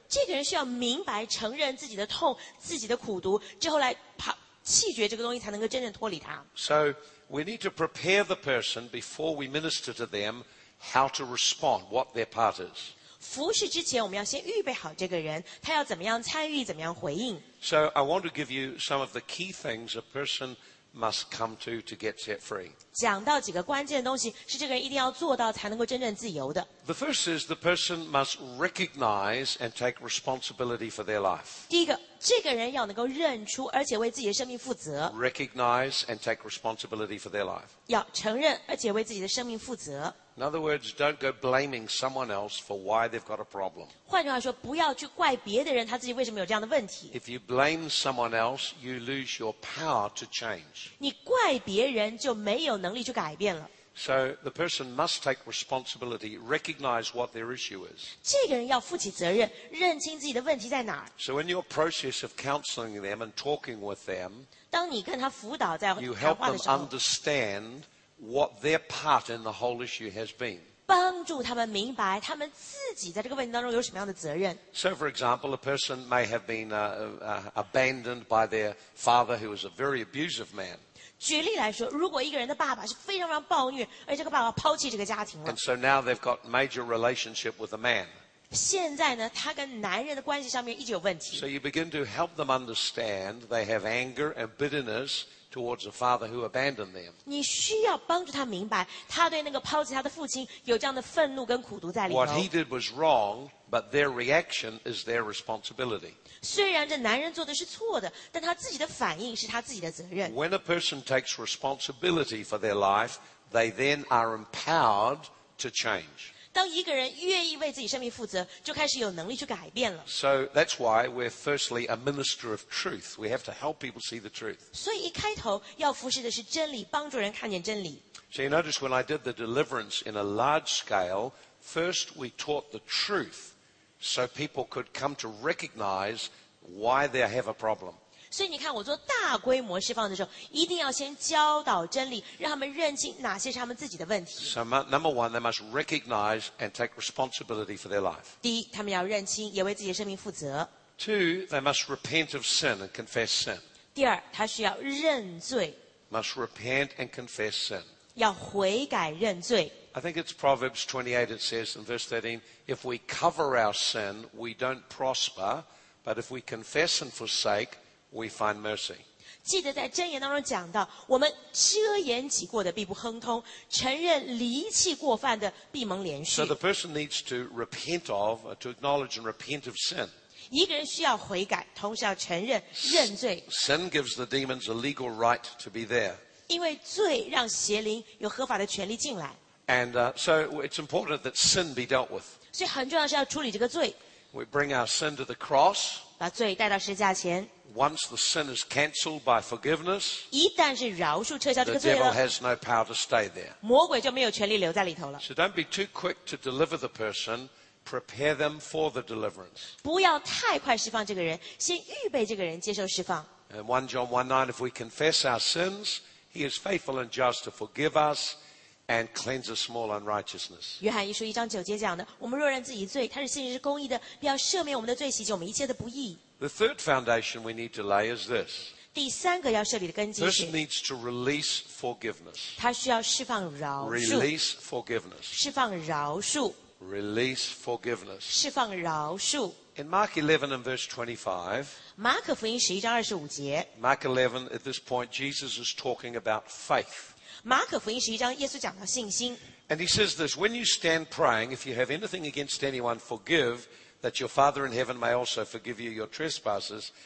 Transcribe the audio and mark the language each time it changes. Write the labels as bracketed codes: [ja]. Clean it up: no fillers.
[zh] 这个人需要明白承认自己的痛自己的苦毒之后来弃绝这个东西才能够真正脱离它。 [en] So we need to prepare the person before we minister to them how to respond, what their part is. [zh] 服侍之前我们要先预备好这个人他要怎么样参与怎么样回应。 [en] So I want to give you some of the key things a personmust come to get set free. [zh] 讲到几个关键的东西是这个人一定要做到才能够真正自由的。 [en] The first is the person must recognize and take responsibility for their life. [zh] 第一个这个人要能够认出而且为自己的生命负责。 [en] Recognize and take responsibility for their life. [zh] 要承认而且为自己的生命负责。 [en] In other words, don't go blaming someone else for why they've got a problem. [zh] 换句话说不要去怪别的人他自己为什么有这样的问题。 [en] If you blame someone else, you lose your power to change. [zh] 你怪别人就没有能力去改变了。 [en] So the person must take responsibility, recognize what their issue is. [zh] 这个人要负起责任认清自己的问题在哪儿。 [en] So in your process of counseling them and talking with them, [zh] 当你跟他辅导在谈话的时候 [en] you help them understand what their part in the whole issue has been. [zh] 帮助他们明白他们自己在这个问题当中有什么样的责任。 [en] So for example, a person may have been abandoned by their father who was a very abusive man. [zh] 举例来说如果一个人的爸爸是非常非常暴虐而且这个爸爸抛弃这个家庭了。 [en] And so now they've got major relationship with a man. [zh] 现在呢他跟男人的关系上面一直有问题。 [en] So you begin to help them understand they have anger and bitterness towards a father who abandoned them. [zh] 你需要帮助他明白他对那个抛弃他的父亲有这样的愤怒跟苦毒在里头。 [en] What he did was wrong, but their reaction is their responsibility. [zh] 虽然这男人做的是错的但他自己的反应是他自己的责任。 [en] When a person takes responsibility for their life, they then are empowered to change. [zh] 当一个人愿意为自己生命负责就开始有能力去改变了。 [en] So that's why we're firstly a minister of truth. We have to help people see the truth. [zh] 所以一开头要服侍的是真理帮助人看见真理。 [en] So you notice when I did the deliverance in a large scale, first we taught the truth. So people could come to recognize why they have a problem. [zh] 所以你看我做大规模释放的时候一定要先教导真理让他们认清哪些是他们自己的问题。 [en] So number one, they must recognize and take responsibility for their life. [zh] 第一他们要认清也为自己的生命负责。 [en] Two, they must repent of sin and confess sin. [zh] 第二他需要认罪。 [en] Must repent and confess sin. [zh] 要悔改认罪。 [en] I think it's Proverbs 28, it says in verse 13, if we cover our sin, we don't prosper, but if we confess and forsake, we find mercy. [zh] 记得在箴言当中讲到，我们遮掩己过的必不亨通，承认离弃过犯的必蒙连续。 [en] So the person needs to repent of, to acknowledge and repent of sin. [zh] 一个人需要悔改，同时要承认认罪。 [en] Sin gives the demons a legal right to be there. [zh] 因为罪让邪灵有合法的权利进来。 [en] And, so it's important that sin be dealt with. [zh] 所以很重要是要处理这个罪。 [en] We bring our sin to the cross. [zh] 把罪带到十字架前。 [en] Once the sin is cancelled by forgiveness, [zh] 一旦是饶恕撤销这个罪了 [en] the devil has no power to stay there. [zh] 魔鬼就没有权利留在里头了。 [en] So don't be too quick to deliver the person. prepare them for the deliverance. [zh] 不要太快释放这个人，先预备这个人接受释放。 [en] And 1 John 1:9, if we confess our sins, he is faithful and just to forgive us and cleanse us from all unrighteousness. [zh] 约翰一书一章九节讲的，我们若认自己罪，他是信实公义的，必要赦免我们的罪，洗净我们一切的不义。 [en] The third foundation we need to lay is this. [zh] 第三个要设立的根基是 [en] This needs to release forgiveness. [zh] 他需要释放饶恕 [en] Release forgiveness. [zh] 释放饶恕 [en] Release forgiveness. [zh] 释放饶恕 [en] In Mark 11 and verse 25, [zh] 马可福音十一章二十五节 [en] Mark 11, at this point, Jesus is talking about faith. [zh] 马可福音十一章耶稣讲到信心 [en] And he says this, when you stand praying, if you have anything against anyone, forgive,that your Father in heaven may also forgive you your trespasses.